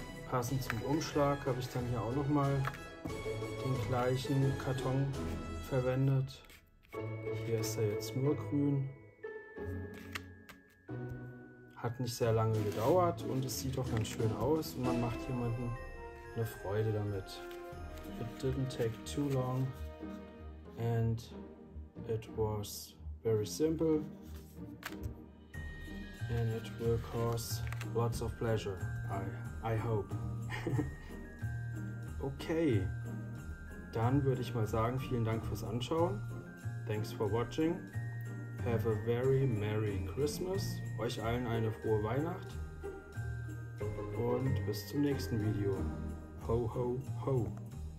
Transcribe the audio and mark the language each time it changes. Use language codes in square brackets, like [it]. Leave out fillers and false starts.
[de] Passend zum Umschlag habe ich dann hier auch noch mal den gleichen Karton verwendet. Hier ist er jetzt nur grün. Hat nicht sehr lange gedauert und es sieht doch ganz schön aus und man macht jemanden eine Freude damit. [en] It didn't take too long and it was very simple and it will cause lots of pleasure. I hope. Okay. [de] Dann würde ich mal sagen, vielen Dank fürs Anschauen. [en] Thanks for watching. Have a very Merry Christmas. [de] Euch allen eine frohe Weihnacht. Und bis zum nächsten Video. Ho, ho, ho.